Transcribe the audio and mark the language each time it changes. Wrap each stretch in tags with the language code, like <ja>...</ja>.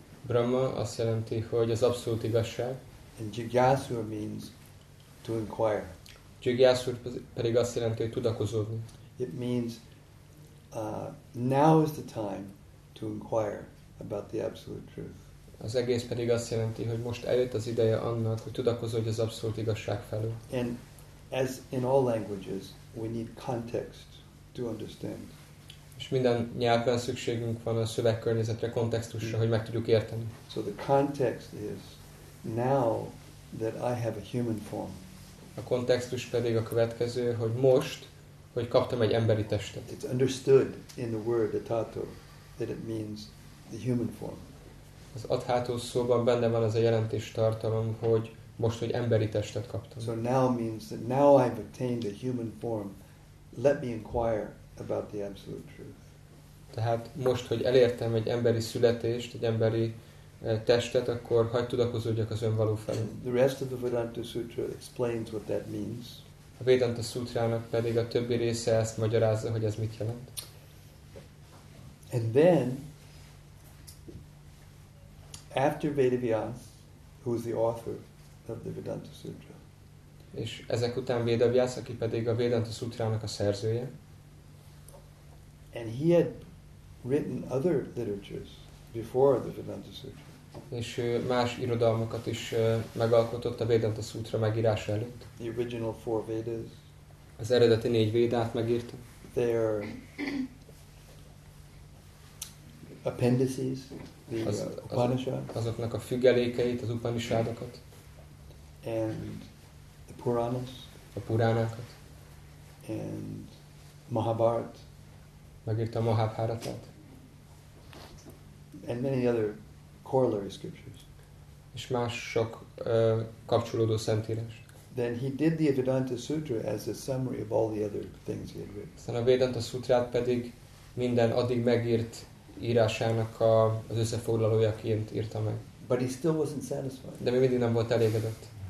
<hu>Brahma azt jelenti, hogy az abszolút igazság.</hu> <en>And Jigyasur means to inquire.</en> <hu>Jigyasur pedig azt jelenti, hogy tudakozódni.</hu> <en>It means now is the time to inquire about the absolute truth.</en> <hu>Az egész pedig azt jelenti, hogy most eljött az ideje annak, hogy tudakozódj az abszolút igazság felől.</hu> <en>And as in all languages, we need context to understand.</en> <hu>És minden nyelven szükségünk van a szövegkörnyezetre, kontextusra, hogy meg tudjuk érteni.</hu> <en>So the context is now that I have a human form.</en> <hu>A kontextus pedig a következő, hogy most, hogy kaptam egy emberi testet.</hu> <en>It's understood in the word atato that it means the human form.</en> <hu>Az atato szóban benne van az a jelentés tartalom, hogy most, hogy emberi testet kaptam.</hu> <en>So now means that now I've attained a human form. Let me inquire about the absolute truth.</en> <hu>Tehát most, hogy elértem egy emberi születést, egy emberi testet, akkor hagyd tudakozódjak az önvaló felé.</hu> <en>The rest of the Vedanta Sutra explains what that means.</en> <hu>A Vedanta Sutrának pedig a többi része ezt magyarázza, hogy ez mit jelent.</hu> <en>And then, after Vedavyas, who is the author of the Vedanta Sutra,</en> <hu>és ezek után Vedavyas, aki pedig a Vedanta Sutrának a szerzője.</hu> <en>And he had written other literatures before the Vedanta Sutra.</en> <hu>És más irodalmakat is megalkotott a Vedanta Sutra megírása előtt.</hu> <en>The original four Vedas.</en> <hu>az eredeti négy védát megírta.</hu> <en>Their appendices, the Upanishads.</en> <hu>Azoknak a függelékeit, az Upanishadokat.</hu> <en>And the Puranas.</en> <hu>A Puránákat.</hu> <en>And Mahabharat.</en> <hu>Megírta a Mahabharatát.</hu> <en>And many other corollary scriptures.</en> <hu>És más sok kapcsolódó szentírás.</hu> <en>Then he did the Vedanta Sutra as a summary of all the other things he had written.</en> <hu>Aztán a Vedanta Sutrát pedig minden addig megírt írásának az összefoglalójaként írta meg.</hu> <en>But he still wasn't satisfied.</en> <hu>De még mindig nem volt elégedett.</hu>